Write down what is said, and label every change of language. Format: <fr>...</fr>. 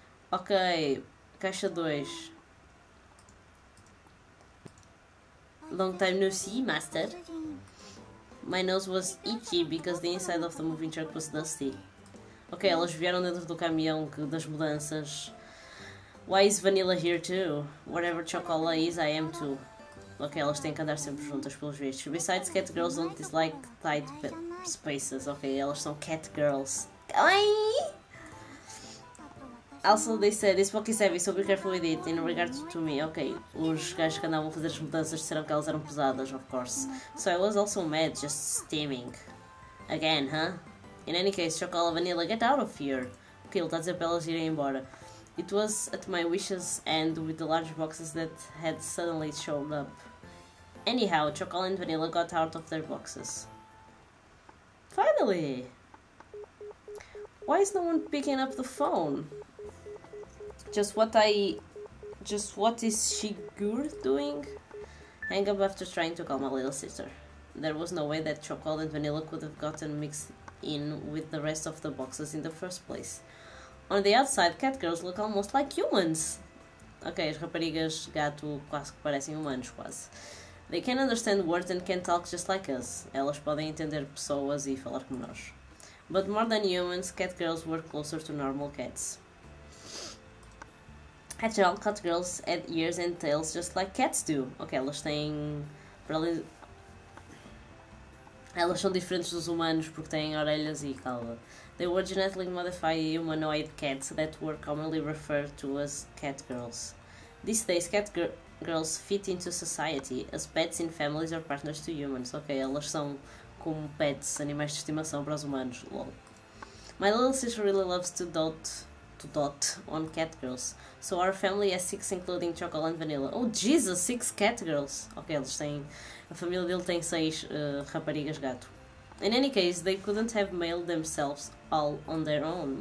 <pt>Ok, caixa 2.</pt> <en>Long time no see, master. My nose was itchy because the inside of the moving truck was dusty.</en> <pt>Ok, elas vieram dentro do caminhão das mudanças.</pt> <en>Why is Vanilla here too? Whatever Chocola is, I am too.</en> <pt>Ok, elas têm que andar sempre juntas pelos vistos.</pt> <en>Besides, cat girls don't dislike tight spaces.</en> <pt>Ok, elas são cat girls. Oi!</pt> <en>Also, they said, this book is heavy, so be careful with it, in regard to me.</en> <pt>Ok, os gajos que andavam a fazer as mudanças disseram que elas eram pesadas,</pt> <en>of course. So I was also mad, just steaming. Again, huh? In any case, Chocola Vanilla, get out of here.</en> <pt>Ok, ele está a dizer para elas irem embora.</pt> <en>It was at my wish's end with the large boxes that had suddenly shown up. Anyhow, Chocola and Vanilla got out of their boxes. Finally! Why is no one picking up the phone? Just what is Shigur doing? Hang up after trying to call my little sister. There was no way that Chocola and Vanilla could have gotten mixed in with the rest of the boxes in the first place. On the outside, cat girls look almost like humans.</en> <pt>Okay, as raparigas gato quase que parecem humanos, quase.</pt> <en>They can understand words and can talk just like us.</en> <pt>Elas podem entender pessoas e falar como nós.</pt> <en>But more than humans, cat girls were closer to normal cats. After all, cat girls had ears and tails just like cats do.</en> <pt>Ok, elas têm... elas são diferentes dos humanos porque têm orelhas e cauda.</pt> <en>They were genetically modified humanoid cats that were commonly referred to as cat girls. These days, cat girls fit into society as pets in families or partners to humans.</en> <pt>Ok, elas são como pets, animais de estimação para os humanos.</pt> <en>Lol. My little sister really loves to dot on cat girls. So our family has 6, including Chocola and Vanilla. Oh Jesus, 6 cat girls.</en> <pt>Ok, eles têm. A família dele tem 6 raparigas gato.</pt> <en>In any case, they couldn't have mailed themselves all on their own.</en>